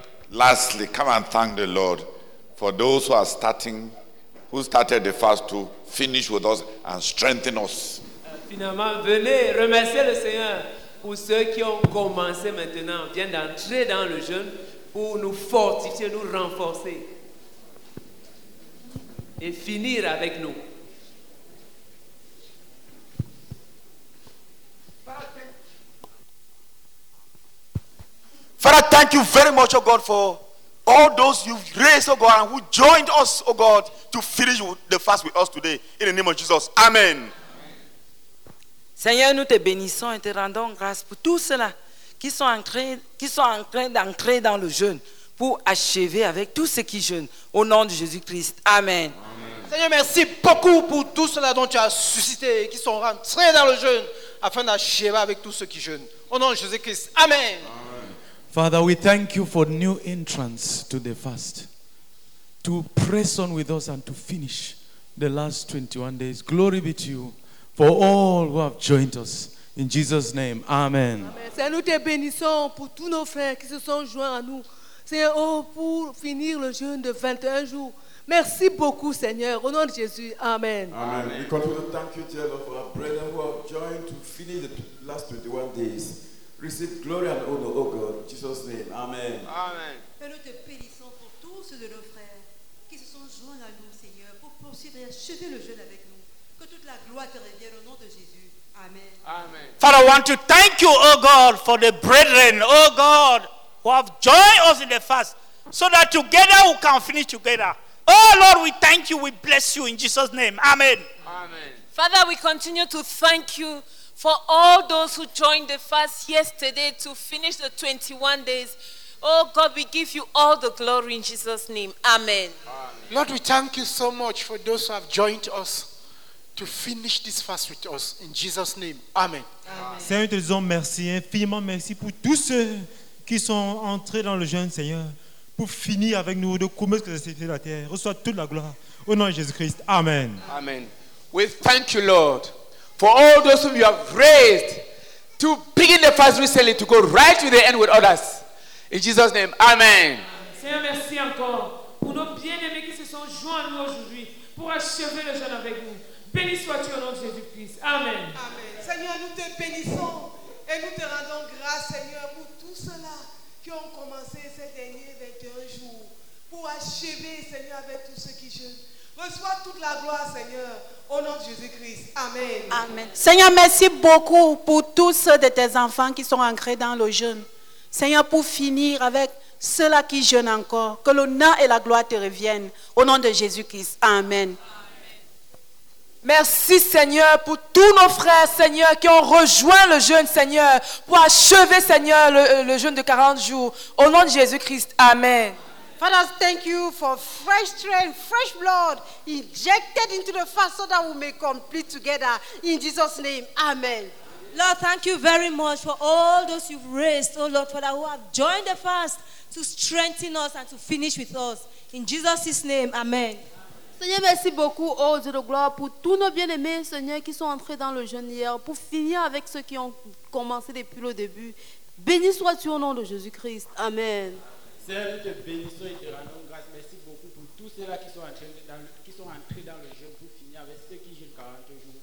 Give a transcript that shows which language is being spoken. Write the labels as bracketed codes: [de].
[en] Lastly, come and thank the Lord for those who are starting, who started the fast to finish with us and strengthen us. [fr] Finalement, venez remercier le Seigneur pour ceux qui ont commencé maintenant, viennent d'entrer dans le jeûne pour nous fortifier, nous renforcer et finir avec nous. [en] Father, thank you very much, oh God, for all those you've raised, oh God, and who joined us, oh God, to finish the fast with us today. In the name of Jesus. Amen. [fr] Seigneur, nous te bénissons et te rendons grâce pour tout cela qui sont en train d'entrer dans le jeûne pour achever avec tous ceux qui jeûnent. Au nom de Jésus-Christ. Amen. Amen. Seigneur, merci beaucoup pour tout cela dont tu as suscité et qui sont rentrés dans le jeûne afin d'achever avec tous ceux qui jeûnent. Au nom de Jésus-Christ. Amen. Amen. [en] Father, we thank you for new entrance to the fast, to press on with us and to finish the last 21 days. Glory be to you for all who have joined us. In Jesus' name, amen. Amen. [fr] Seigneur, nous te bénissons pour tous nos frères qui se sont joints à nous. Seigneur, oh, pour finir le jeûne de 21 jours. Merci beaucoup, Seigneur. Au nom de Jésus, amen. Amen. [en] We continue to thank you, dear Lord, for our brethren who have joined to finish the last 21 days. Receive glory and honor, O God, in Jesus' name. Amen. Amen. [fr] Et nous te bénissons pour tous de nos frères qui se sont joints à nous, Seigneur, pour poursuivre et achever le jeûne avec nous. Que toute la gloire te revienne au nom de Jésus. Amen. Amen. [en] Father, I want to thank you, O God, for the brethren, O God, who have joined us in the fast, so that together we can finish together. Oh Lord, we thank you, we bless you in Jesus' name. Amen. Amen. Father, we continue to thank you For all those who joined the fast yesterday to finish the 21 days, oh God, we give you all the glory in Jesus' name. Amen. Lord, we thank you so much for those who have joined us to finish this fast with us in Jesus' name. Amen. [fr] Seigneur, te disons merci, infiniment merci pour tous ceux qui sont entrés dans le jeûne, Seigneur, pour finir avec nous de commencer la société de la terre. Reçois toute la gloire au nom de Jésus-Christ. Amen. Amen. [en] We thank you, Lord, for all those whom you have raised to begin the fast recently, to go right to the end with others. In Jesus' name, amen. [fr] Seigneur, merci encore pour nos bien-aimés qui se sont joints à nous aujourd'hui pour achever le jeûne avec nous. Béni sois-tu au nom de Jésus-Christ. Amen. Amen. Seigneur, nous te bénissons et nous te rendons grâce, Seigneur, pour tout cela qui ont commencé ces derniers 21 jours pour achever, Seigneur, avec tous ceux qui jeûnent. Reçois toute la gloire, Seigneur, au nom de Jésus-Christ. Amen. Amen. Seigneur, merci beaucoup pour tous ceux de tes enfants qui sont ancrés dans le jeûne. Seigneur, pour finir avec ceux-là qui jeûnent encore, que l'honneur et la gloire te reviennent. Au nom de Jésus-Christ. Amen. Amen. Merci, Seigneur, pour tous nos frères, Seigneur, qui ont rejoint le jeûne, Seigneur, pour achever, Seigneur, le jeûne de 40 jours. Au nom de Jésus-Christ. Amen. [en] Father, thank you for fresh strength, fresh blood injected into the fast so that we may complete together. In Jesus' name. Amen. Lord, thank you very much for all those you've raised, oh Lord, Father, who have joined the fast to strengthen us and to finish with us. In Jesus' name, amen. [fr] Seigneur, merci beaucoup, oh Dieu de gloire, pour tous nos bien-aimés, Seigneur, qui sont entrés dans le jeûne hier, pour finir avec ceux qui ont commencé depuis le début. Béni sois-tu au nom de Jésus-Christ. Amen. Seigneur, nous te bénissons et te rendons grâce. Merci beaucoup pour tous ceux-là qui sont entrés dans le jeûne pour finir avec ceux qui jeûnent 40 jours.